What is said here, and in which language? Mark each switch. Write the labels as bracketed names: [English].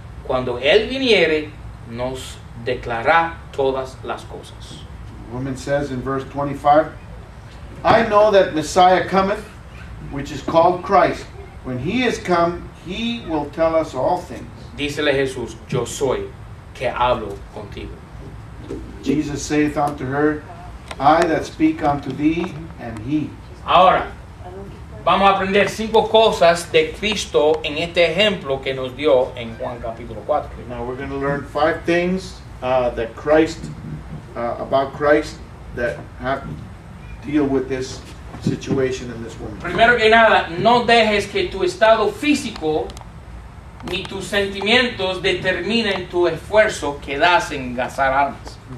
[Spanish] Cuando él viniere, nos declarará todas las cosas. [English] The woman says in verse 25, I know that Messiah cometh, which is called Christ. When he is come, he will tell us all things. [Spanish] Dícele Jesús, yo soy que hablo contigo. [English] Jesus saith unto her, I that speak unto thee am he. [Spanish] Ahora, vamos a aprender cinco cosas de Cristo en este ejemplo que nos dio en Juan capítulo 4. [English] Now we're going to learn five things about Christ that have to deal with this situation in this woman. [Spanish] Primero que nada, no dejes que tu estado físico ni tus sentimientos determinen tu esfuerzo que das en gastar almas.